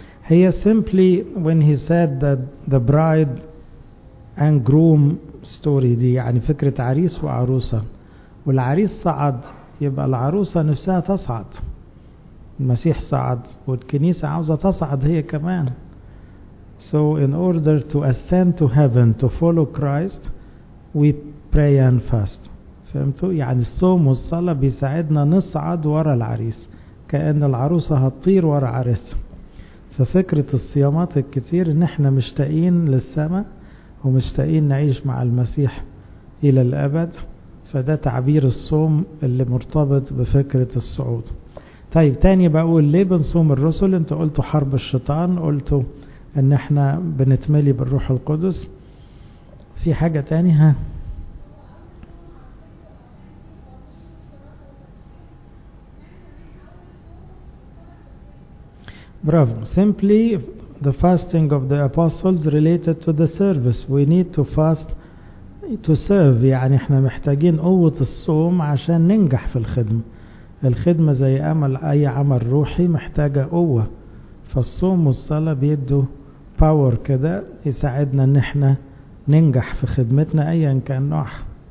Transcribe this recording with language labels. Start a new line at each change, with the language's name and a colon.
Arabic: هي
English: simply when he said that the bride and groom story
Arabic: دي، يعني فكرة عريس وعروسة، والعريس صعد يبقى العروسة نفسها تصعد. المسيح صعد والكنيسة عاوزة تصعد هي كمان.
English: So in order to ascend to heaven to follow Christ we pray and fast.
Arabic: فهمتوا؟ يعني الصوم والصلاة بيساعدنا نصعد ورا العريس، كأن العروسة هتطير ورا عريسها. ففكرة الصيامات الكتير ان احنا مشتاقين للسماء ومشتاقين نعيش مع المسيح الى الابد، فده تعبير الصوم اللي مرتبط بفكرة الصعود. طيب تاني بقول ليه بنصوم الرسل؟ انت قلتوا حرب الشيطان، قلتوا ان احنا بنتملي بالروح القدس. في حاجة تاني؟ ها، برافو.
English: Simply the fasting of the apostles related to the service. We need to fast to serve.
Arabic: يعني احنا محتاجين قوة الصوم عشان ننجح في الخدمة. الخدمة زي عمل اي عمل روحي محتاجة قوة، فالصوم والصلاة بيدوا power كده يساعدنا ان احنا ننجح في خدمتنا ايا كان نوعها.